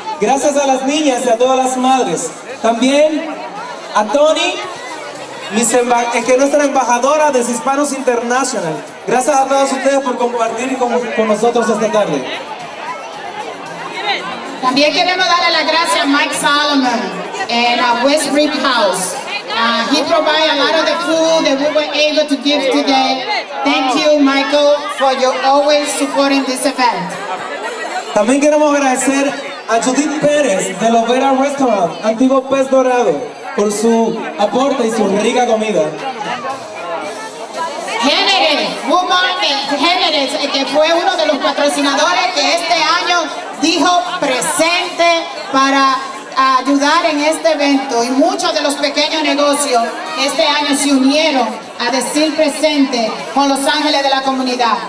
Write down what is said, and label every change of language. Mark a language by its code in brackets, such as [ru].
[es] Gracias a las niñas y a todas las madres. También a Tony, que es nuestra embajadora de Hispanos International. Gracias a todos ustedes por compartir con nosotros esta tarde. También queremos darle las gracias a Mike Solomon en West Rip House. [en] He provided a lot of the food that we were able to give today. Thank you, Michael, for your always supporting this event. [es] También queremos agradecer a Judith Pérez de Los Vera Restaurant, Antiguo Pez Dorado, por su aporte y su rica comida. Henry, que fue uno de los patrocinadores que este año dijo presente para ayudar en este evento, y muchos de los pequeños negocios este año se unieron a decir presente con los ángeles de la comunidad.